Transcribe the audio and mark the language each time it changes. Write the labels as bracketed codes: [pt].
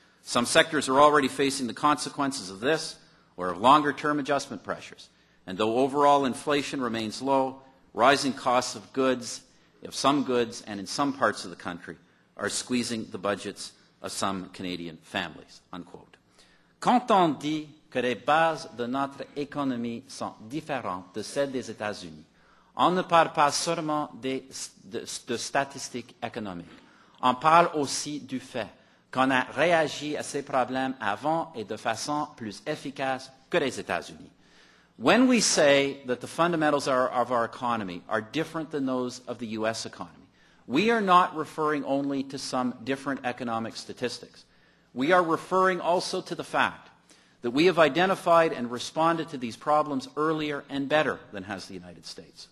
[en] Some sectors are already facing the consequences of this or of longer-term adjustment pressures. And though overall inflation remains low, rising costs of goods, of some goods and in some parts of the country, are squeezing the budgets of some Canadian families." Unquote. [fr] Quand on dit que les bases de notre économie sont différentes de celles des États-Unis, on ne parle pas seulement de statistiques économiques. On parle aussi du fait qu'on a réagi à ces problèmes avant et de façon plus efficace que les États-Unis. [en] When we say that the fundamentals of our economy are different than those of the U.S. economy, we are not referring only to some different economic statistics. We are referring also to the fact that we have identified and responded to these problems earlier and better than has the United States.